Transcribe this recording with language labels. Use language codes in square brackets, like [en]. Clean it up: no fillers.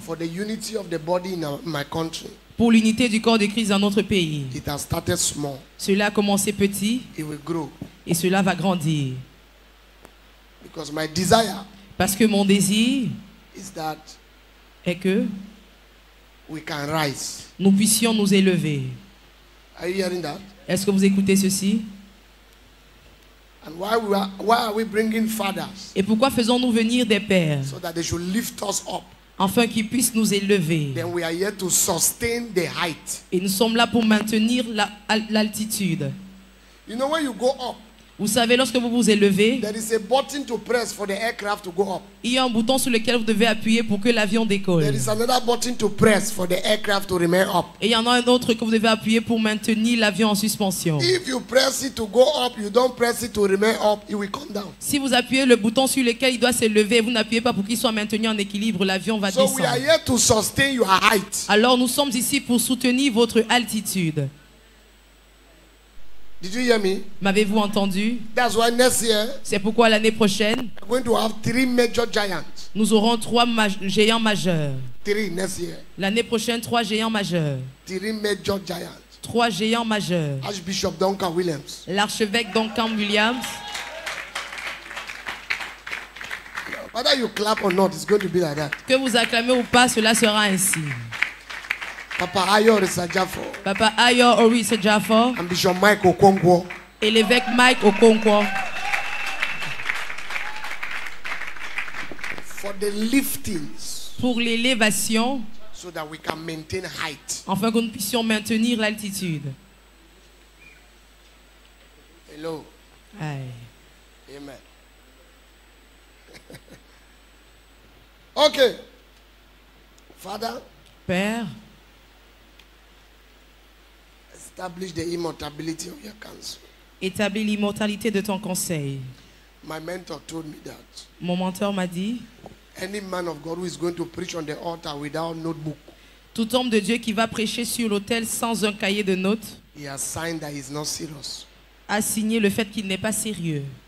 [en] For the unity of the body in my country. [fr] Pour l'unité du corps de Christ dans notre pays. [en] It has started small. [fr] Cela a commencé petit. [en] It will grow. [fr] Et cela va grandir. [en] Because my desire. [fr] Parce que mon désir [en] is that [fr] est que [en] we can rise. [fr] Nous puissions nous élever. [en] Are you hearing that? [fr] Est-ce que vous écoutez ceci? [en] And why are we bringing fathers? [fr] Et pourquoi faisons-nous venir des pères? [en] So that they should lift us up. [fr] Afin qu'ils puissent nous élever. [en] Then we are here to sustain the height. [fr] Et nous sommes là pour maintenir l'altitude. [en] You know when you go up. [fr] Vous savez, lorsque vous vous élevez, [en] there is a button to press for the aircraft to go up. [fr] Il y a un bouton sur lequel vous devez appuyer pour que l'avion décolle. [en] There is another button to press for the aircraft to remain up. [fr] Et il y en a un autre que vous devez appuyer pour maintenir l'avion en suspension. [en] If you press it to go up, you don't press it to remain up, it will come down. [fr] Si vous appuyez le bouton sur lequel il doit s'élever, vous n'appuyez pas pour qu'il soit maintenu en équilibre, l'avion va descendre. [en] So we are here to sustain your height. [fr] Alors nous sommes ici pour soutenir votre altitude. [en] Did you hear me? [fr] M'avez-vous entendu? [en] That's why next year, [fr] c'est pourquoi l'année prochaine, [en] we're going to have three major giants. [fr] Nous aurons trois géants majeurs. [en] Three next year. [fr] L'année prochaine, trois géants majeurs. [en] Three major giants. [fr] Trois géants majeurs. [en] Archbishop Duncan Williams. [fr] L'archevêque Duncan Williams. [en] Whether you clap or not, it's going to be like that. [fr] Que vous acclamez ou pas, cela sera ainsi. [en] Papa Ayo Orisajafo. [fr] Papa Ayo Orisajafo. [en] And Bishop Mike Okonkwo. [fr] Et l'évêque Mike Okonkwo. [en] For the liftings. [fr] Pour l'élévation. [en] So that we can maintain height. [fr] Afin que nous puissions maintenir l'altitude. [en] Hello. Hi. Amen. Okay. Father. [fr] Père. [en] Establish the immortality of your counsel. [fr] Établis l'immortalité de ton conseil. [en] My mentor told me that. [fr] Mon mentor m'a dit. [en] Any man of God who is going to preach on the altar without notebook. [fr] Tout homme de Dieu qui va prêcher sur l'autel sans un cahier de notes. [en] He has signed that he's not serious. [fr] A signé le fait qu'il n'est pas sérieux.